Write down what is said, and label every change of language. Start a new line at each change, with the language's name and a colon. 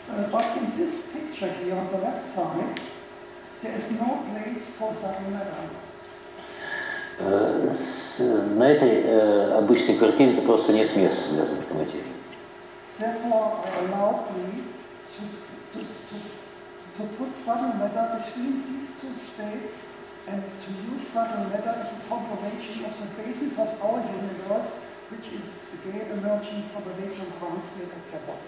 English: But in this picture here on the left side, there is no place for something like that.
Russian: На этой обычной картинке просто нет места для такой материи.
English: Therefore, allow me to put subtle matter between these two states and to use subtle matter as a formulation of the basis of our universe, which is again emerging from the vacuum ground state, etc.